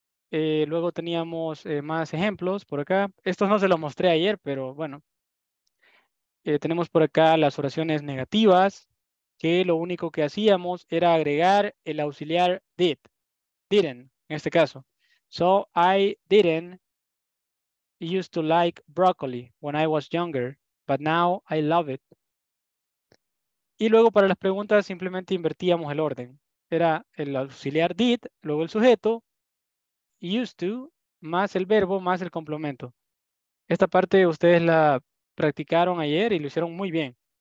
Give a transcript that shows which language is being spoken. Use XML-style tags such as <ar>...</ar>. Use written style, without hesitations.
<es>Luego teníamos más ejemplos por acá. Estos no se los mostré ayer, pero bueno. Tenemos por acá las oraciones negativas, que lo único que hacíamos era agregar el auxiliar did, didn't, en este caso.</es> <en>So I didn't used to like broccoli when I was younger, but now I love it.</en> <es>Y luego para las preguntas simplemente invertíamos el orden. Era el auxiliar did, luego el sujeto, used to, más el verbo, más el complemento. Esta parte ustedes la practicaron ayer y lo hicieron muy bien.</es>